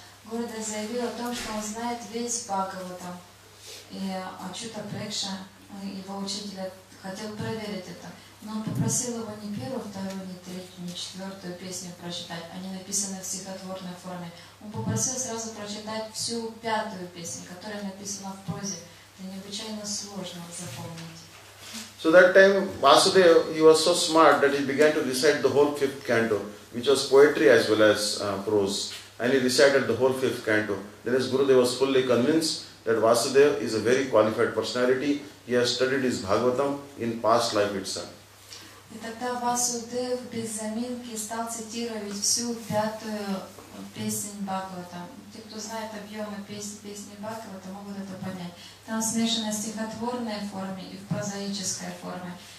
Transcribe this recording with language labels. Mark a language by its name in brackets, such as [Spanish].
[Russian] Горе да заявил о том, что он знает весь Бхагаватам. И Ачюта Прекша, его учитель, хотел проверить это. Но он попросил его не первую, вторую, не третью, не четвертую песню прочитать. Они написаны в стихотворной форме. Он попросил сразу прочитать всю пятую песню, которая написана в прозе. Это необычайно сложно запомнить. [English] So that time Vasudev, he was so smart that he began to recite the whole fifth canto, which was poetry as well as prose. And he recited the whole fifth canto. Then his Gurudev was fully convinced that Vasudev is a very qualified personality. He has studied his Bhagavatam in past life itself. [Russian] И тогда Васудев без заминки стал цитировать всю пятую песнь Бхагаватам. Те, кто знает объемы песни Бхагаватам, могут это понять. Там смешано стихотворной форме и в прозаической форме.